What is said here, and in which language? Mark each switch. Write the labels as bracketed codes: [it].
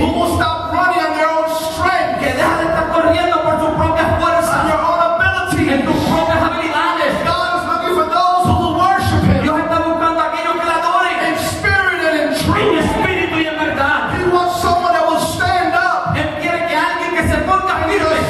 [en] Who will stop running on their own strength. [es] Que deja de estar corriendo por tu propia fuerza. [en] On your own ability. [es] En tus propias habilidades. [en] God is looking for those who will worship him. [es] Dios está buscando a aquellos que le adoren. [en] In spirit and in truth. [es] En espíritu y en verdad. [en] He wants someone that will stand up. [es] Él quiere que alguien que se ponga firme.